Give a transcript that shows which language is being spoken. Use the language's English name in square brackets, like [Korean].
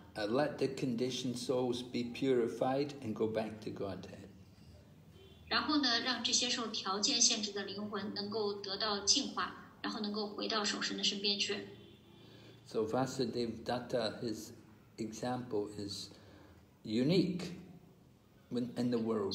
[English] Let the conditioned souls be purified and go back to Godhead. [Chinese] 然后呢，让这些受条件限制的灵魂能够得到净化，然后能够回到守神的身边去。 [English] So Vasudev Datta, his example is unique in the world.